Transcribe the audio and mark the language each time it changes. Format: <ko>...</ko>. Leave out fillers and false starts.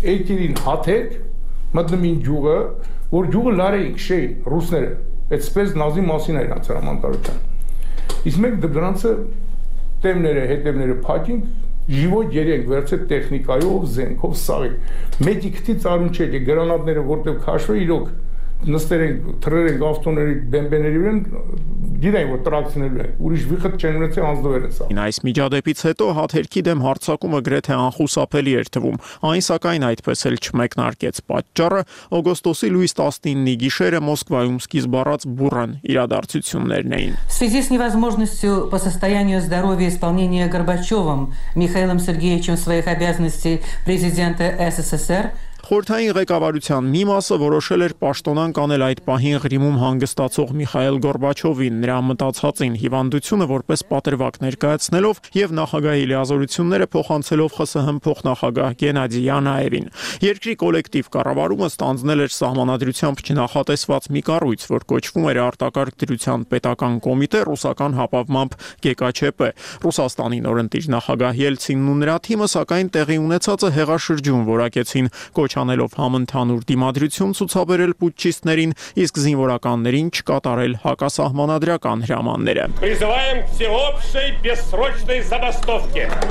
<hy>Էջերին Հաթեր մտնումին ջուղը, որ ջուղը լարեիք շեի ռուսները, այդպես նազի մասին էր անց հրամանտարության։ Իսկ մենք դրանցը տեմները, հետևները փակինք, ժիվոտ երեք վերցրեց տեխնիկայով, զենքով սաղի։ Մետիքտի ծառուն չէ, գրանատները որտեղ քաշվե իրոք նստեր ենք, թրեր ենք ավտոների բեմբեների վրա, գիտեն, որ տրակցնելու են, ուրիշ վիխտ չեն ունեցել, անձնվել են սա։ Այս միջադեպից հետո Հաթերքի դեմ հարձակումը գրեթե անխուսափելի էր թվում, այն սակայն այդպես էլ չմեկնարկեց պատճառը օգոստոսի լույս 19-ի գիշերը Մոսկվայում սկիզբ առած բուռն իրադարձություններն էին։</hy> <ru>В связи с невозможностью по состоянию здоровья исполнения Горбачевым Михаилом Сергеевичем своих обязанностей президента СССР</ru> <hy>Խորհրդային ղեկավարության մի մասը որոշել էր պաշտոնանք անել այդ պահին Ղրիմում հանգստացող Միխայել Գորբաչովին, նրա մտածածին, հիվանդությունը որպես պատրվակ ներկայացնելով և նախագահի լիազորությունները փոխանցելով ԽՍՀՄ փոխնախագահ Գենադի Յանաևին։ Երկրի կոլեկտիվ կառավարումը ստանձնել էր սահմանադրությամբ չնախատեսված մի կառույց, որ կոչվում էր Արտակարգ դրության պետական կոմիտե, ռուսական հապավմամբ ԳԿՉՊ։ Ռուսաստանի նորընտիր նախագահ Ելցինն ու նրա թիմը, սակայն, տեղի ունեցածը հեղաշրջում որակեցին, կոչանելով համընդհանուր դիմադրություն ցուցաբերել պուտչիստներին, իսկ զինվորականներին չկատարել հակասահմանադրական հրամանները։</hy>